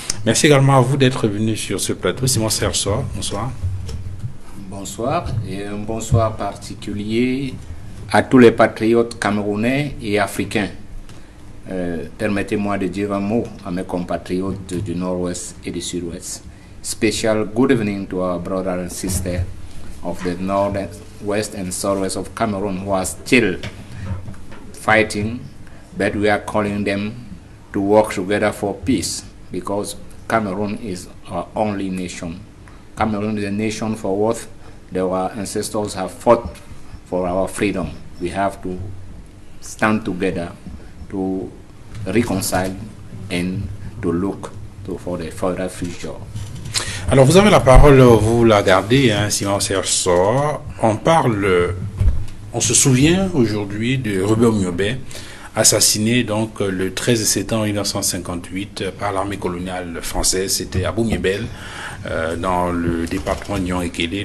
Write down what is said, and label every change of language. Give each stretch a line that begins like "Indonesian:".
French: Merci également à vous d'être venu sur ce plateau. Simon Serge, bonsoir. Bonsoir et un bonsoir particulier à tous les patriotes camerounais et africains. Permettez-moi de dire un mot à mes compatriotes du Nord-Ouest et du Sud-Ouest.
English: Special good evening to our brothers and sisters of the Nord-Ouest and Southwest of Cameroon who are still fighting, but we are calling them to work together for peace because Cameroon is our only nation. Cameroon is a nation for what our ancestors have fought for our freedom. We have to stand together to reconcile and to look for the further future.
French: Alors, vous avez la parole, vous la gardez, hein, Simon Serge Sor. On se souvient aujourd'hui de Ruben Oumyobé, assassiné donc le 13 septembre 1958 par l'armée coloniale française. C'était à Boumnyébel, dans le département de Yonguékélé.